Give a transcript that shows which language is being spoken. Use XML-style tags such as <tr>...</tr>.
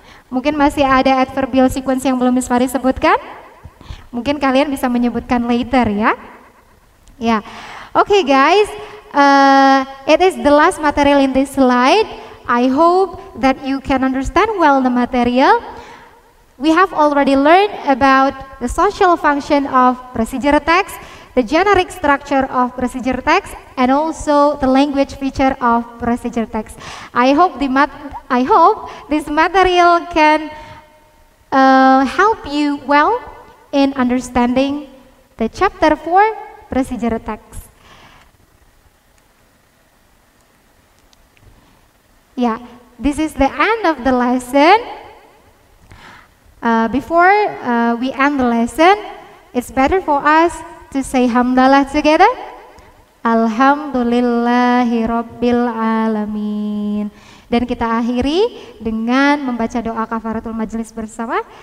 <id>Mungkin masih ada adverbial sequence yang belum Miss Fari sebutkan? Mungkin kalian bisa menyebutkan</id> <en>later,</en> <id>ya?</id> <en>Ya. Okay, guys. It is the last material in this slide. I hope that you can understand well the material. We have already learned about the social function of procedure text, the generic structure of procedure text, and also the language feature of procedure text. I hope this material can help you well in understanding the chapter 4 procedure text. Yeah, this is the end of the lesson. Before we end the lesson, it's better for us to say hamdalah together.</en> <ar>Alhamdulillahi rabbil alamin.</ar> <id>Dan kita akhiri dengan membaca doa kafaratul majelis bersama.</id>